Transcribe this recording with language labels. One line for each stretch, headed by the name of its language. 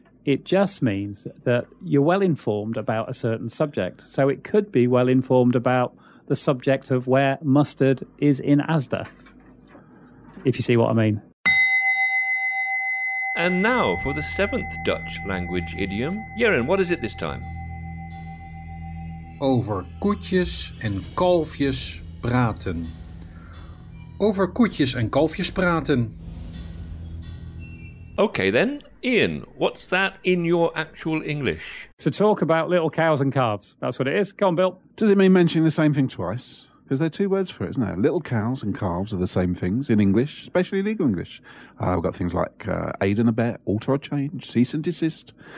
English: It just means that you're well informed about a certain subject. So it could be well informed about the subject of where mustard is in Asda, if you see what I mean. And now for the seventh Dutch language idiom. Jeroen, what is it this time?
Dutch: Over koetjes en kalfjes praten. Over koetjes en kalfjes praten.
English: Okay then, Ian, what's that in your actual English? To talk about little cows and calves. That's what it is. Go on, Bill. Does it mean mentioning the same thing twice? Because there are two words for it, isn't there? Little cows and calves are the same things in English, especially legal English. We've got things like aid and abet, alter or change, cease and desist.